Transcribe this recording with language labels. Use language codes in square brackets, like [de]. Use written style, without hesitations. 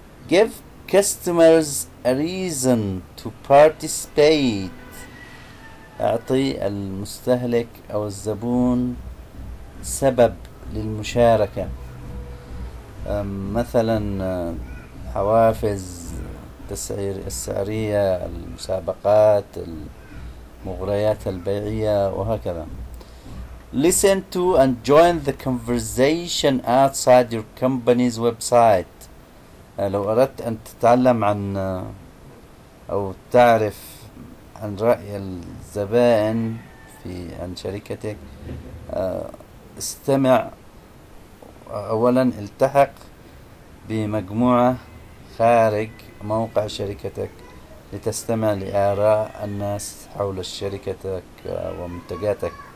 [en] Give customers a reason to participate. [ar] أعطي المستهلك أو الزبون سبب للمشاركة، مثلا حوافز التسعير السعرية، المسابقات، المغريات البيعية وهكذا. [en] Listen to and join the conversation outside your company's website. [ar] لو أردت أن تتعلم عن أو تعرف عن رأي الزبائن في عن شركتك، استمع أولا، التحق بمجموعة خارج موقع شركتك لتستمع لآراء الناس حول شركتك ومنتجاتك.